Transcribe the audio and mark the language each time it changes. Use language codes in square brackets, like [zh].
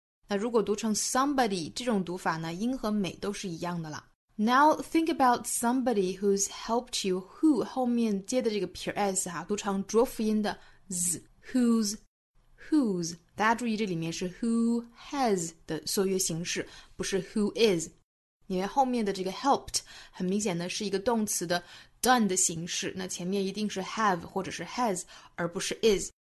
[zh] 那如果读成 somebody, 这种读法呢音和美都是一样的了。 [en] Now think about somebody who's helped you, who [zh] 后面接的这个撇 s 啊读成浊辅音的 z, [en] who's. [zh] 大家注意这里面是 who has 的缩略形式不是 who is. 因为后面的这个 helped, 很明显的是一个动词的done 的形式，那前面一定是 have 或者是 has 而不是 is。